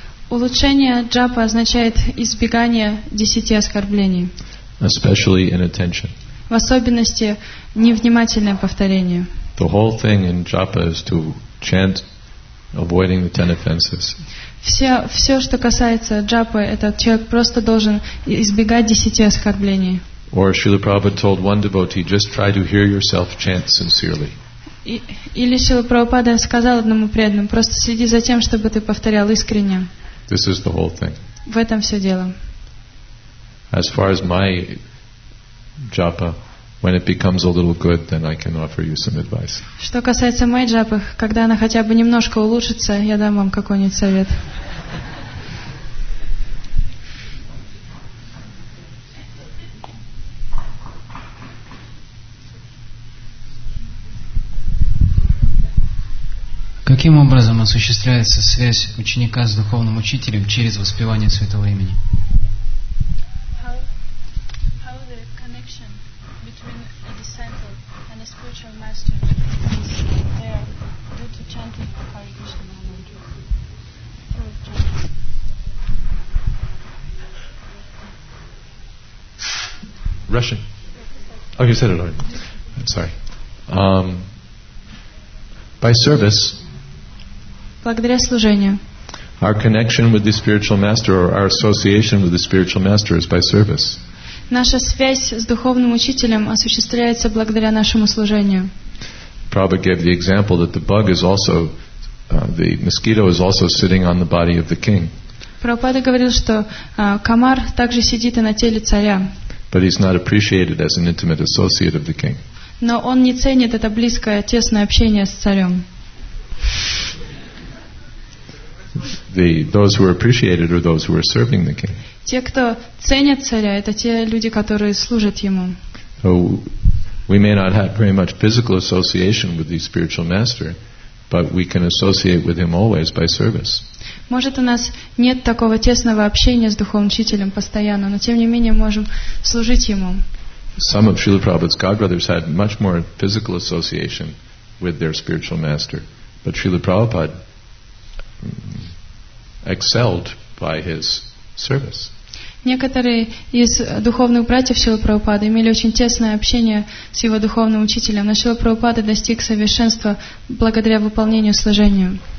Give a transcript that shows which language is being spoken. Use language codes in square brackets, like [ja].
[ru] Улучшение джапа означает избегание 10 оскорблений. [en] Especially inattention. [ru] В особенности невнимательное повторение. [en] The whole thing in japa is to chant, avoiding the 10 offenses. [ru] Все, что касается джапы, этот человек просто должен избегать 10 оскорблений. [en] Or Srila Prabhupada told one devotee, just try to hear yourself chant sincerely. [ru] Или Шрила Прабхупада сказал одному преданному, просто следи за тем, чтобы ты повторял искренне. [en] This is the whole thing. [ru] В этом все дело. [en] As far as my japa, when it becomes a little good, then I can offer you some advice. [ru] Что касается моей джапы, когда она хотя бы немножко улучшится, я дам вам какой-нибудь совет. Каким образом осуществляется связь ученика с духовным учителем через воспевание святого имени? [en] How the connection between a disciple and a spiritual master is there due to chanting of Hare Krishna mantra? Russian. Oh, you said it already. I'm sorry. By service. [ru] Благодаря служению. [en] Our connection with the spiritual master or our association with the spiritual master is by service. [ru] Наша связь с духовным учителем осуществляется благодаря нашему служению. [en] Prabhupada gave the example that the bug is also the mosquito is also sitting on the body of the king. [ru] Прабхупада говорил, что комар также сидит и на теле царя. [en] But he's not appreciated as an intimate associate of the king. [ru] Но он не ценит это близкое тесное общение с царем. [en] those who are appreciated are those who are serving the king. [ru] Те, кто ценят царя, это те люди, которые служат ему. [en] So we may not have very much physical association with the spiritual master, but we can associate with him always by service. [ru] Может, у нас нет такого тесного общения с духовным учителем постоянно, но тем не менее можем служить ему. [en] Some of Srila Prabhupada's godbrothers had much more physical association with their spiritual master, but Srila Prabhupada excelled by his service. [ru] Некоторые из духовных братьев Шрилы Прабхупады имели очень тесное общение с его духовным учителем. Но Шрила Прабхупада достиг совершенства благодаря выполнению служения.